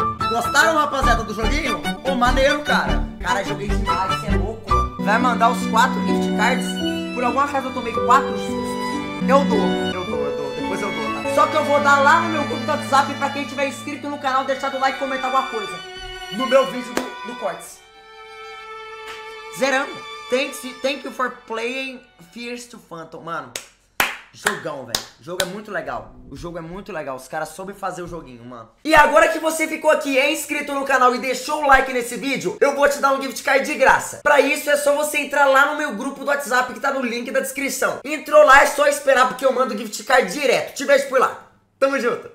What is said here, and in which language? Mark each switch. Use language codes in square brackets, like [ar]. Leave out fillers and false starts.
[pt] Gostaram, rapaziada, do joguinho? Ô, maneiro, cara. Cara, joguei demais, você é louco. Vai mandar os 4 gift cards? Por alguma razão eu tomei 4 sustos. Eu dou, depois eu dou, tá? Só que eu vou dar lá no meu grupo do WhatsApp pra quem tiver inscrito no canal, deixar do like e comentar alguma coisa. No meu vídeo do Cortes. Zeramos. [en] Thank you for playing Fears to Phantom, mano. [pt] Jogão, velho. O jogo é muito legal. O jogo é muito legal. Os caras soube fazer o joguinho, mano. E agora que você ficou aqui, é inscrito no canal e deixou o like nesse vídeo, eu vou te dar um gift card de graça. Pra isso é só você entrar lá no meu grupo do WhatsApp que tá no link da descrição. Entrou lá, é só esperar porque eu mando o gift card direto. Te vejo por lá. Tamo junto.